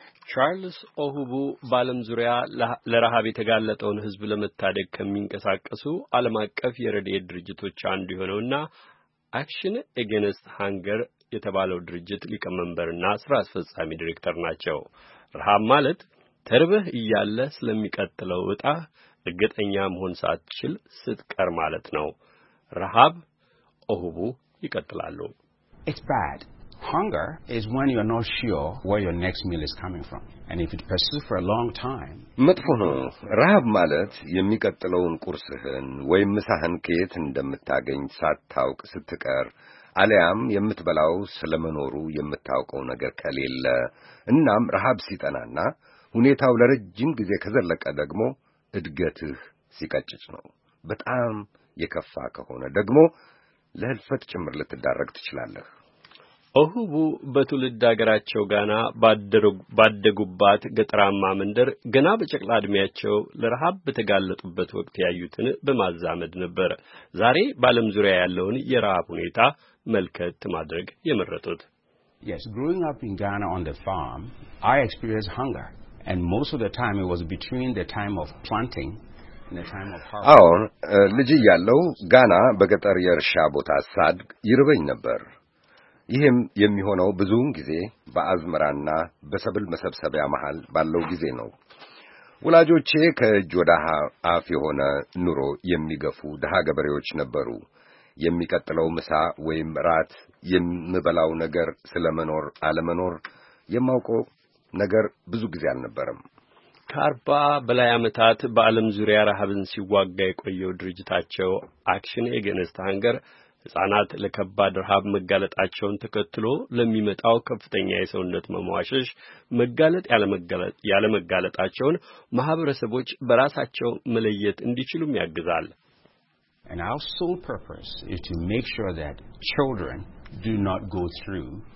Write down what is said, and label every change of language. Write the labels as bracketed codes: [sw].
[am] ቻርልስ ኦሁቡ ባለም ዙሪያ ለረሃብ የተጋለጠውን ህዝብ ለመታደግ ከሚንቀሳቀሱ ዓለም አቀፍ የረድኤት ድርጅቶች አንዱ የሆነውና አክሽን አገንስት ሃንገር የተባለው ድርጅት ሊቀመንበርና ስራ አስፈጻሚ ዳይሬክተር ናቸው። ረሃብ ማለት ተርበህ ያለ ስለሚቀጥለው ዕጣ እርግጠኛ መሆን ሳትችል ስትቀር ማለት ነው። ረሃብ ኦሁቡ ይቀጥላሉ። [en] It's bad. Hunger is when you are not sure where your next meal is coming from. And if it persists for a long time, [am] መጥፎ ረሃብ ማለት የሚቀጥለውን ቁርስህን ወይም ምሳህን ከየት እንደምታገኝ ሳታውቅ ስትቀር አለያም የምትበላው ስለመኖሩ የምታውቀው ነገር ከሌለ እናም ረሃብ ሲጠናና ሁኔታው ለረጅም ጊዜ ከዘለቀ ደግሞ እድገትህ ሲቀጭጭ ነው። በጣም የከፋ ከሆነ ደግሞ ለህልፈት ጭምር ልትዳረግ ትችላለህ። ኦሁቡ በትውልድ አገራቸው ጋና ባደጉባት ገጠራማ መንደር ገና በጨቅላ እድሜያቸው ለረሃብ በተጋለጡበት ወቅት ያዩትን በማዛመድ ነበር ዛሬ ባለም ዙሪያ ያለውን የረሃብ ሁኔታ መልከት ማድረግ የመረጡት። [en] Yes, growing up in Ghana on the farm, I experienced hunger, and most of the time it was between the time of planting [am] አሁን ልጅ ያለው ጋና በገጠር የርሻ ቦታ ሳድግ ይርበኝ ነበር። ይህም የሚሆነው ብዙውን ጊዜ በአዝመራና በሰብል መሰብሰቢያ መሃል ባለው ጊዜ ነው። ወላጆቼ ከጆዳሃ አፍ የሆነ ኑሮ የሚገፉ ደሃ ገበሬዎች ነበሩ። የሚቀጥለው ምሳ ወይም ራት የምበላው ነገር ስለመኖር አለመኖር የማውቀው ነገር ብዙ ጊዜ አልነበረም። ካርባ በላይ አመታት በአለም ዙሪያ ረሃብን ሲዋጋ የቆየው ድርጅታቸው አክሽን አገንስት ሃንገር ህጻናት ለከባድ ረሃብ መጋለጣቸውን ተከትሎ ለሚመጣው ከፍተኛ የሰውነት መሟሸሽ መጋለጥ ያለመጋለጣቸውን ማህበረሰቦች በራሳቸው መለየት እንዲችሉም ያግዛል። [en] And our sole purpose is to make sure that children do not go through